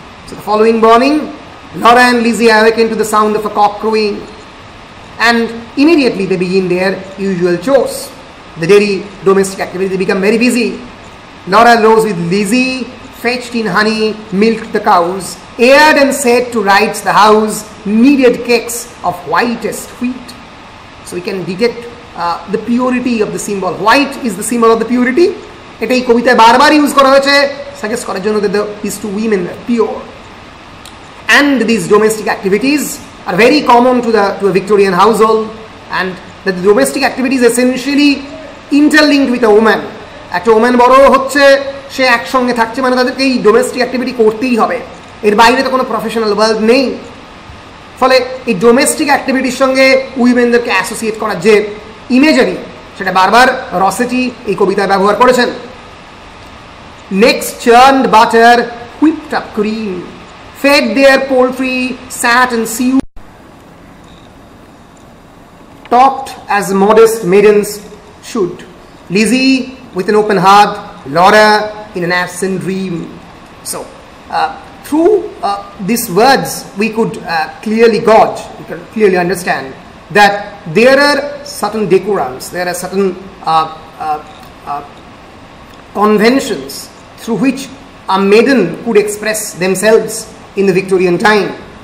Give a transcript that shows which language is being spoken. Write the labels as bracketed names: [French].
[English] So the following morning, Laura and Lizzie awakened to the sound of a cock crowing, and immediately they begin their usual chores, the daily domestic activity. They become very busy. Laura rose with Lizzie, fetched in honey, milked the cows, aired and set to rights the house, kneaded cakes of whitest wheat. So we can detect the purity of the symbol. White is the symbol of the purity. [Bangla] এটা এই কবিতায় বারবার use করা হয়েছে suggest করার জন্য [English] The this to women are pure. And this domestic activities are very common to the to a Victorian household. And the domestic activities essentially interlinked with a woman. [Bangla] একটা woman বড় হচ্ছে, সে একসঙ্গে থাকছে, মানে তাদেরকে এই ডোমেস্টিক অ্যাক্টিভিটি করতেই হবে, এর বাইরে তো কোনো প্রফেশনাল ওয়ার্ল্ড নেই. ফলে এই ডোমেস্টিক অ্যাক্টিভিটির সঙ্গে উইমেনদেরকে অ্যাসোসিয়েট করার যে ইমেজারি সেটা বারবার রসেটি এই কবিতায় ব্যবহার করেছেন. [English] Next churned butter whipped up cream fed their poultry sat and sew. talked as modest maidens should. Lizzie with an open heart, Laura in an absent dream. So, through these words, we could clearly gauge, we could clearly understand that there are certain decorums, there are certain conventions through which a maiden could express themselves in the Victorian time.